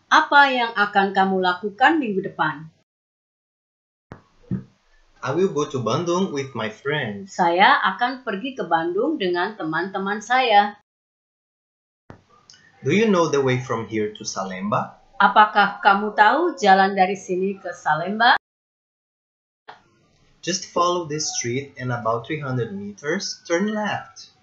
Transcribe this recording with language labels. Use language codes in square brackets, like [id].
[id] Apa yang akan kamu lakukan minggu depan? [en] I will go to Bandung with my friends. [id] Saya akan pergi ke Bandung dengan teman-teman saya. [en] Do you know the way from here to Salemba? [id] Apakah kamu tahu jalan dari sini ke Salemba? [en] Just follow this street and about 300 meters, turn left.